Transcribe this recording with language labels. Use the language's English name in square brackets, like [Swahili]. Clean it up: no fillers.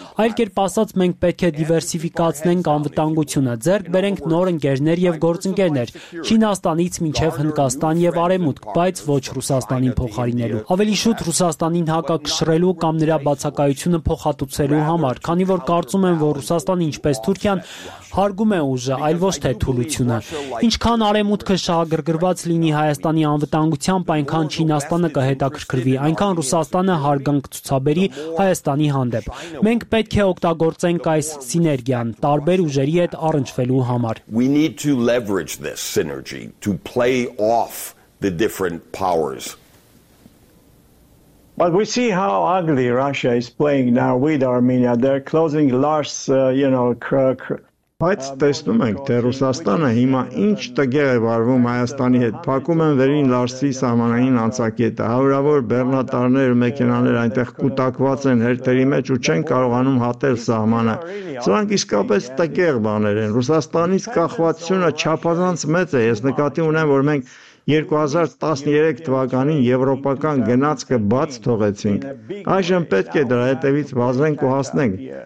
[Armenian] այլ կերպ ասած, մենք պետք է դիվերսիֆիկացնենք անվտանգությունը, ձեռք բերենք նոր ընկերներ եւ գործընկերներ Չինաստանից մինչեւ Հնդկաստան եւ Արևմուտք, բայց ոչ Ռուսաստանին փոխարինելու, ավելի շուտ Ռուսաստանին հակակշռելու կամ նրա բացակայությունը փոխհատուցելու համար, քանի որ կարծում եմ, որ Ռուսաստանը, ինչպես Թուրքիան, հարգում է ուժը, այլ ոչ թե թուլությունը։ Ինչքան Արևմուտքը շահագրգռված լինի Հայաստանի անվտանգությամբ, այնքան Չինաստանը կհետաքրքրվի, այնքան Ռուսաստանը հարգանք ցուցաբերի Հայաստանի հանդեպ։ Մենք պետք է օգտագործենք այս սիներգիան տարբեր ուժերի հետ առնչվելու համար։ [English] We need to leverage this synergy to play off the different powers. But we see how ugly Russia is playing now with Armenia. They're closing large, [Armenian] Բայց տեսնում ենք, թե Ռուսաստանը հիմա ինչ տեղ է վարվում Հայաստանի հետ, փակում են վերին Լարսի սահմանային անցակետը, հարյուրավոր բեռնատարներ ու մեքենաներ այնտեղ կուտակված են հերթերի մեջ ու չեն կարողանում հատել սահմանը։ Սրանք իսկապես տեղ բաներ են, Ռուսաստանից կախվածությունը չափազանց մեծ է, ես նկատի ունեմ, որ մենք 2013 թվականին եվրոպական գնացքը բաց թողեցինք, այժմ պետք է դրա հետևից վազենք ու հասնենք։